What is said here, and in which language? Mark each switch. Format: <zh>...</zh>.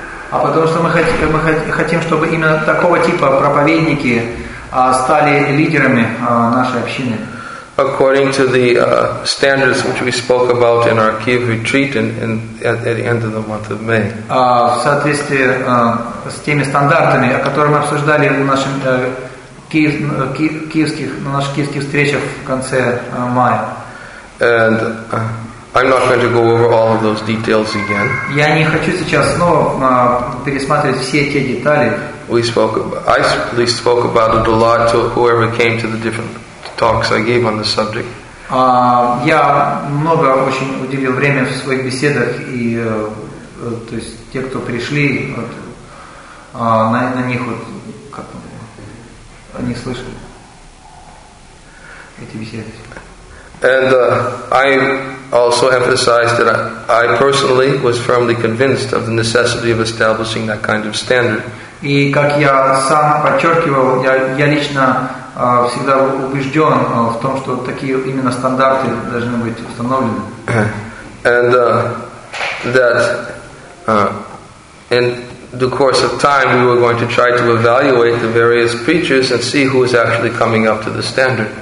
<ru>А потому что мы хотим, чтобы именно такого типа проповедники стали лидерами нашей общины.</ru> <en>According to the standards which we spoke about in our Kyiv retreat at the end of the month of May.</en> <ru>В соответствии с теми стандартами, о которых мы обсуждали в нашем киевских встречах в конце мая.</ru> <en>And I'm not going to go over all of those details again.</en> <ru>Я не хочу сейчас снова пересматривать все те детали.</ru> <en>I spoke about it a lot to whoever came to the different talks I gave on the subject.</en> <ru>Я много очень уделил время в своих беседах и то есть те, кто пришли, на них вот как они слышали эти беседы.</ru> <en>And I also emphasized that I personally was firmly convinced of the necessity of establishing that kind of standard.</en> <ru>И как я сам подчеркивал, я лично всегда убежден в том, что такие именно стандарты должны быть установлены.</ru> <en>And that in the course of time we were going to try to evaluate the various preachers and see who is actually coming up to the standard.</en>